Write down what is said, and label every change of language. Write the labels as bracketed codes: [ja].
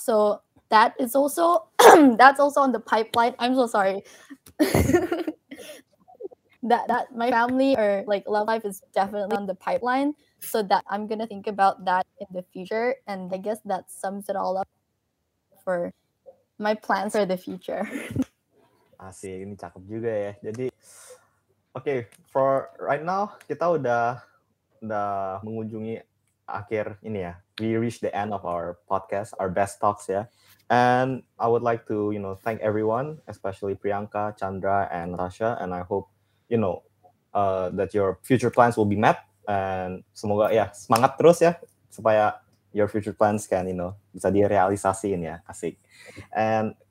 [en] So that is also that's also on the pipeline. I'm so sorry. that my family or like love life is definitely on the pipeline, so that I'm gonna think about that in the future, and I guess that sums it all up for my plans for the future. [id] Asik, ini cakep juga ya. Jadi [en] okay, for right now [id] kita udah mengunjungi akhir ini ya. [en] We reached the end of our podcast, our best talks, yeah. And I would like to, you know, thank everyone, especially Priyanka, Chandra, and Natasha. And I hope, you know, that your future plans will be met. [id] And semoga, yeah, semangat terus ya, supaya [en] your future plans can, you know, [id] bisa direalisasiin ya, asik. And